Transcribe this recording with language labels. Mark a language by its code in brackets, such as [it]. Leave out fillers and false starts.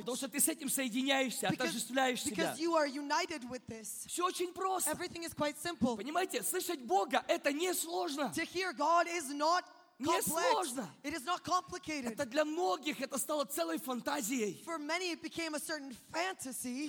[ru] Потому что ты с этим соединяешься, отождествляешь себя. [en] Because you are united with this. [ru] Все очень просто. [en] Everything is quite simple. [ru] Понимаете, слышать Бога это не сложно. [en] To hear God is not complex. It is not complicated. [ru] Это для многих это стало целой фантазией. [en] For many, it became a certain fantasy.